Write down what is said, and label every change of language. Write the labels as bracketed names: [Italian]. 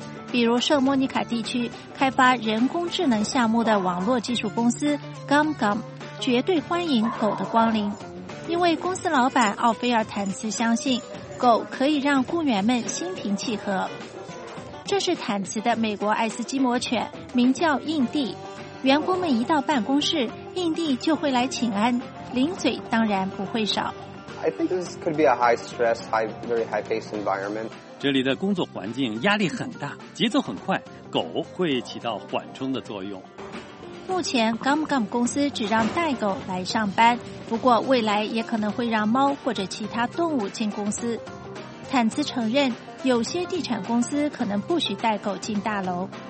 [Chinese] 比如圣莫尼卡地区开发人工智能项目的网络技术公司 GumGum 绝对欢迎狗的光临，因为公司老板奥菲尔·坦茨相信狗可以让雇员们心平气和。这是坦茨的美国爱斯基摩犬，名叫印地。员工们一到办公室，印地就会来请安，零嘴当然不会少。 [English] I think this could be a high stress, very high paced environment. [Chinese] 这里的工作环境压力很大，节奏很快，狗会起到缓冲的作用。目前 GumGum 公司只让带狗来上班，不过未来也可能会让猫或者其他动物进公司。坦茨承认，有些地产公司可能不许带狗进大楼。